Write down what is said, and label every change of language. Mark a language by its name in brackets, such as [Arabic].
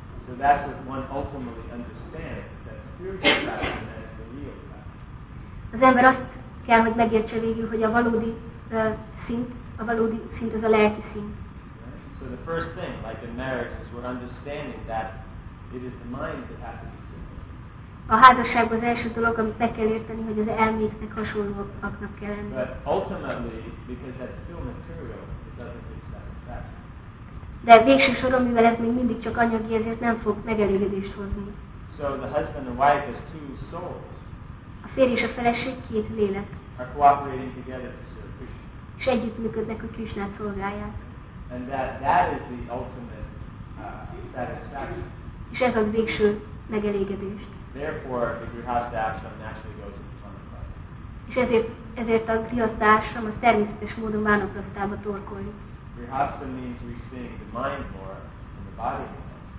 [English] So that's what one ultimately understands, that spiritual practice is the real practice. [Hungarian] Az ember azt kell, hogy megértse végül, hogy a valódi szint, a valódi szint az a lelki szint. [English] So the first thing, like in marriage, is we're understanding that it is the mind that has to be. [Hungarian] A házasság az első dolog, amit meg kell érteni, hogy az elméknek hasonlóaknak kell lenni. [English] But ultimately, because that's still material, it doesn't give satisfaction. [Hungarian] De végső soron, mivel ez még mindig csak anyagi, ezért nem fog megelégedést hozni. [English] So the husband and wife is two souls. [Hungarian] A férj és a feleség két lélek. [English] Are cooperating together to serve Krishna. [Hungarian] És együttműködnek, hogy Krishnát szolgálják. [English] And that is the ultimate satisfaction. [Hungarian] És ez a végső megelégedést. [English] Therefore, the grihastha ashram naturally goes into vanaprastha. [Hungarian] És ezért a grihastha ashram a természetes módon vanaprasthába torkolik. [English] Grihastha means we seeing the mind more and the body more.